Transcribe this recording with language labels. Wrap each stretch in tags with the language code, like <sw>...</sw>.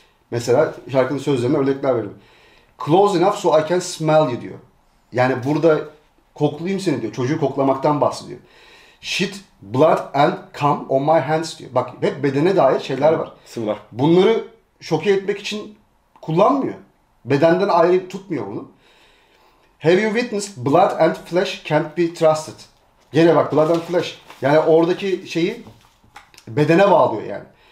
<tr>Mesela şarkının sözlerine örnekler veriyorum.</tr> <en>Close enough so I can smell you</en> <tr>diyor. Yani burada koklayayım seni diyor. Çocuğu koklamaktan bahsediyor.</tr> <en>Shit, blood and cum on my hands</en> <tr>diyor. Bak hep bedene dair şeyler var. Sıvılar. Bunları şoke etmek için kullanmıyor. Bedenden ayrı tutmuyor bunu.</tr> <en>Have you witnessed blood and flesh can't be trusted?</en> <tr>Gene bak</tr> <en>blood and flesh.</en> <tr>Yani oradaki şeyi bedene bağlıyor yani.</tr>